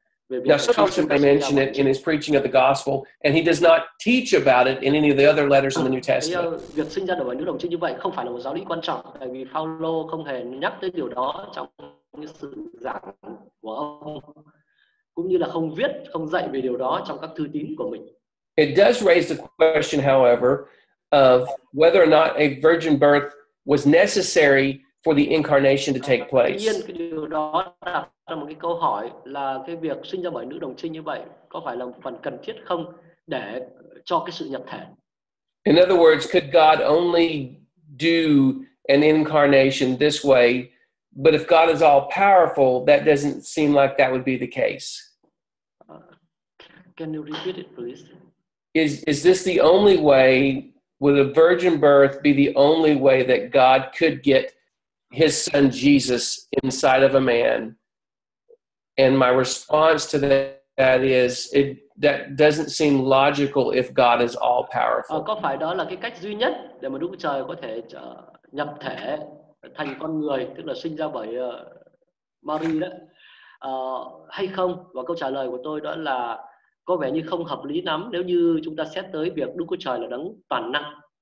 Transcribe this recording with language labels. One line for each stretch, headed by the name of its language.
English: Now, Spurgeon may mention it in his preaching of the gospel, and he does not teach about it in any of the other letters in the New Testament.
Vietnamese: Việc sinh ra bởi nữ đồng trinh như vậy không phải là một giáo lý quan trọng, tại vì Phaolô không hề nhắc tới điều đó trong sự giảng của ông, cũng như là không viết, không dạy về điều đó trong các thư tín của mình.
English: It does raise the question, however, of whether or not a virgin birth was necessary for the incarnation to take place.
Vietnamese: Tuy nhiên, điều đó đặt ra một cái câu hỏi là cái việc sinh ra bởi nữ đồng trinh như vậy có phải là một phần cần thiết không để cho cái sự nhập thể?
English: In other words, could God only do an incarnation this way? But if God is all powerful, that doesn't seem like that would be the case. Can you repeat it, please? Is this the only way? Would a virgin birth be the only way that God could get his son Jesus inside of a man? And my response to that is, that doesn't seem logical if God is all powerful.
Vietnamese: Có phải đó là cái cách duy nhất để mà Đức Chúa Trời có thể nhập thể thành con người, tức là sinh ra bởi Mary đó hay không? Và câu trả lời của tôi đó là có vẻ như không hợp lý lắm nếu như chúng ta xét tới việc Đức Chúa Trời là đấng toàn năng.